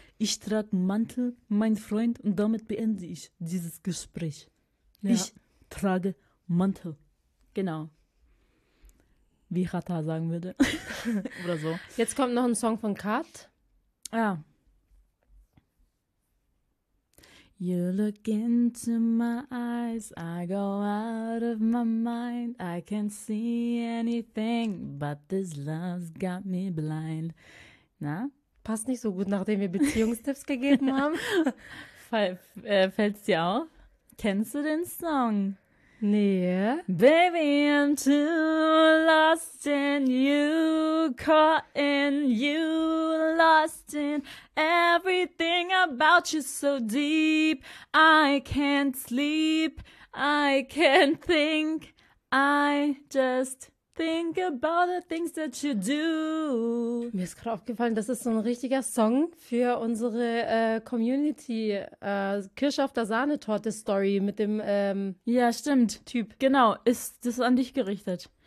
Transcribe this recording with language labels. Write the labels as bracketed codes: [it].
[de] Ich trage Mantel, mein Freund, und damit beende ich dieses Gespräch. Ja. Ich trage Mantel. Genau. Wie Hatta sagen würde. Oder so. Jetzt kommt noch ein Song von Kat. Ja. [en] You look into my eyes, I go out of my mind, I can't see anything, but this love's got me blind. [de] Na? Passt nicht so gut, nachdem wir Beziehungstipps gegeben haben. Fällt's dir auf? Kennst du den Song? Nee. [en] Baby, I'm too lost in you, caught in you, lost in everything about you so deep. I can't sleep, I can't think, I just think about the things that you do. [de] Mir ist gerade aufgefallen, das ist so ein richtiger Song für unsere Community. Kirsche auf der Sahnetorte-Story mit dem Ja, stimmt. Typ. Genau, ist das an dich gerichtet?